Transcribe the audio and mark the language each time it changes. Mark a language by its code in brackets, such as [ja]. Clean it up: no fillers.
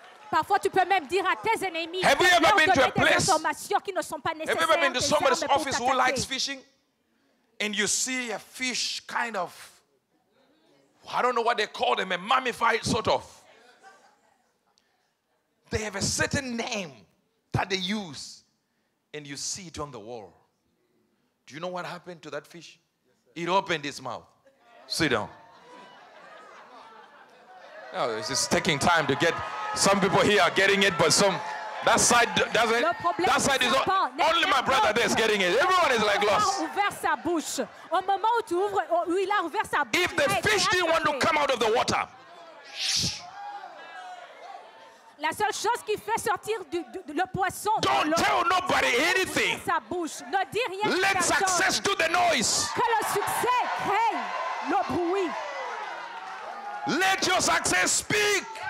[fr] Parfois, tu peux même dire à tes ennemis, [en] have you ever been to a place? [fr] Qui ne sont pas [en] have you ever been to somebody's office who likes fishing? And you see a fish kind of, I don't know what they call them, a mummified sort of. They have a certain name that they use, and you see it on the wall. Do you know what happened to that fish? Yes, it opened its mouth. Sit down. No, it's just taking time to get. Some people here are getting it, but some, that side doesn't. That side is only my brother that's getting it. Everyone is like lost. If the fish didn't want to come out of the water, [fr] la seule chose qui fait sortir le poisson. [en] Don't tell nobody anything. Let success do the noise. [fr] Que le succès crée le bruit. [en] Let your success speak.